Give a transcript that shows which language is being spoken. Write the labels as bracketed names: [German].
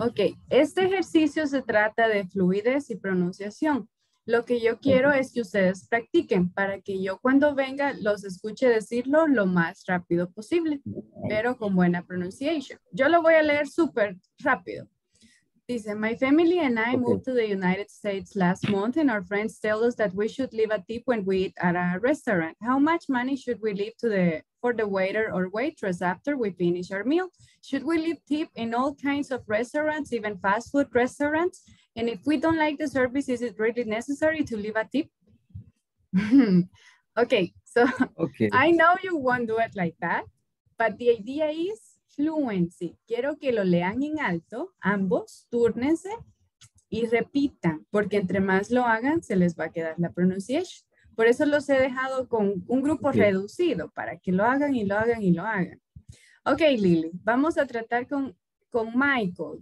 [Spanish] Okay, este ejercicio se trata de fluidez y pronunciación. Lo que yo quiero es que ustedes practiquen para que yo cuando venga los escuche decirlo lo más rápido posible, pero con buena pronunciación. Yo lo voy a leer súper rápido. Dice, [English] my family and I moved to the United States last month and our friends tell us that we should leave a tip when we eat at a restaurant. How much money should we leave for the waiter or waitress after we finish our meal? Should we leave tip in all kinds of restaurants, even fast food restaurants? And if we don't like the service, is it really necessary to leave a tip? Okay, I know you won't do it like that, but the idea is fluency. [Spanish] Quiero que lo lean en alto, ambos, túrnense y repitan, porque entre más lo hagan, se les va a quedar la pronunciation. Por eso los he dejado con un grupo reducido, para que lo hagan y lo hagan y lo hagan. Ok, Lily, vamos a tratar con Michael.